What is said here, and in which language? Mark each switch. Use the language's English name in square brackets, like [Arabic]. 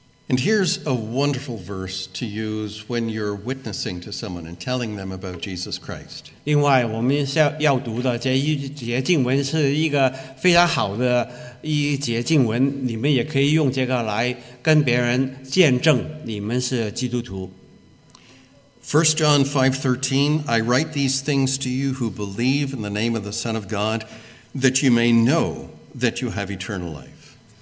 [English] And here's a wonderful verse to use when you're witnessing to someone and telling them about Jesus Christ. [Chinese] 另外我们要读的这一节经文是一个非常好的一节经文，你们也可以用这个来跟别人见证你们是基督徒。 [English] 1 John 5:13, I write these things to you who believe in the name of the Son of God, that you may know that you have eternal life.